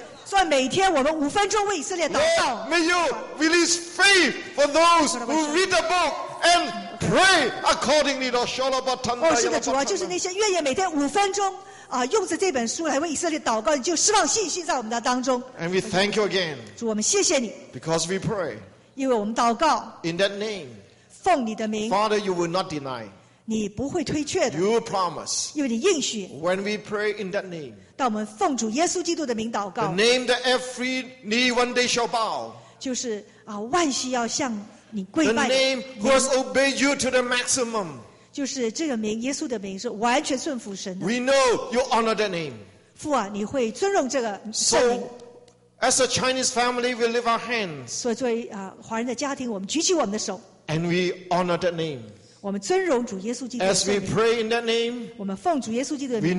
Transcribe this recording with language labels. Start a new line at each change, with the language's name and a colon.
Chinese: 算每天我们五分钟为以色列祷告。
English: May you release faith for those who read the book and. Pray accordingly to Shalabatanda.
Chinese: 是的，主啊，就是那些愿意每天五分钟用着这本书来为以色列祷告，你就释放信心在我们的当中。
English: And we thank you again.
Chinese: 主，我们谢谢你。
English: Because we pray.
Chinese: 因为我们祷告。
English: In that name.
Chinese: 奉你的名。
English: Father, you will not deny.
Chinese: 你不会推却的。
English: You promise.
Chinese: 因为你应许。
English: When we pray in that name.
Chinese: 当我们奉主耶稣基督的名祷告。
English: The name that every knee one day shall bow.
Chinese: 就是万膝要向。
English: The name who has obeyed you to the maximum.
Chinese: 就是这个名，耶稣的名是完全顺服神的。
English: We know you honor that name.
Chinese: 父啊，你会尊荣这个圣名。
English: So, as a Chinese family, we lift our hands.
Chinese: 所以作为华人的家庭，我们举起我们的手。
English: And we honor that name.
Chinese: 我们尊荣主耶稣基督。
English: As we pray in that name,
Chinese: 我们奉主耶稣基督的名。